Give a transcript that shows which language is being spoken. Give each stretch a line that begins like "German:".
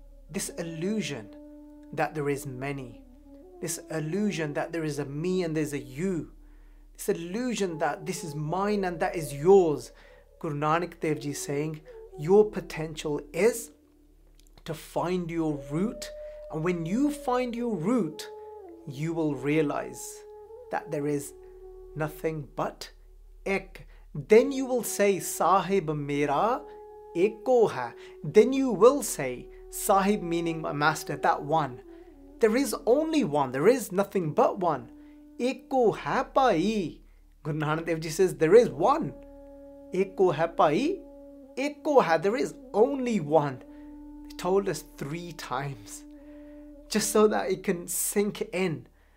English: This illusion that there is many, this illusion that there is a me and there's a you, this illusion that this is mine and that is yours. Guru Nanak Dev Ji saying, your potential is to find your root. And when you find your root, you will realize that there is nothing but Ek. Then you will say,
Punjabi: ਸਾਹਿਬ ਮੇਰਾ ਏਕੋ ਹੈ.
English: Then you will say, Sahib meaning my master, that one. There is only one. There is nothing but one.
Punjabi: Eko Hai Pai.
English: Guru Nanak Dev Ji says, there is one.
Punjabi: Eko Hai Pai. Eko Hai.
English: There is only one. He told us three times, just so that it can sink in.